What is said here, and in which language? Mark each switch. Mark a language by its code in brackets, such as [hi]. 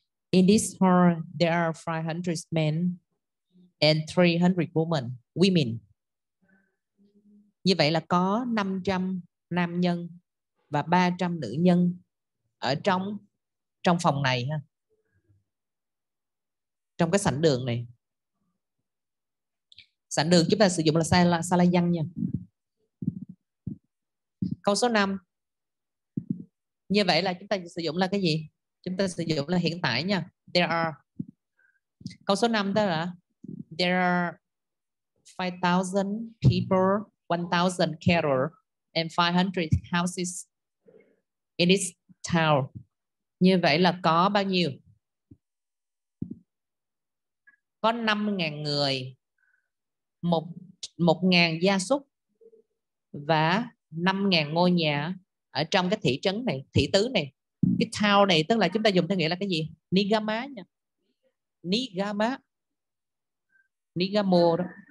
[en] In this hall, there are 500 men and 300 women. Women. [vi] Như vậy là có 500 nam nhân và 300 nữ nhân ở trong trong phòng này ha. Trong cái sảnh đường này. Sảnh đường chúng ta sử dụng là sala văn nha. Câu số 5. Như vậy là chúng ta sử dụng là cái gì? Chúng ta sử dụng là hiện tại nha. [en] There are. [vi] Câu số 5 đó là [en] there are 5000 people, 1000 carriers and 500 houses in this town. [vi] Như vậy là có bao nhiêu? Có 5000 người, 1000 gia súc và 5000 ngôi nhà ở trong cái thị trấn này, thị tứ này. Cái town này tức là chúng ta dùng theo nghĩa là cái gì? Nigama nha. Nigama. Nigamo đó.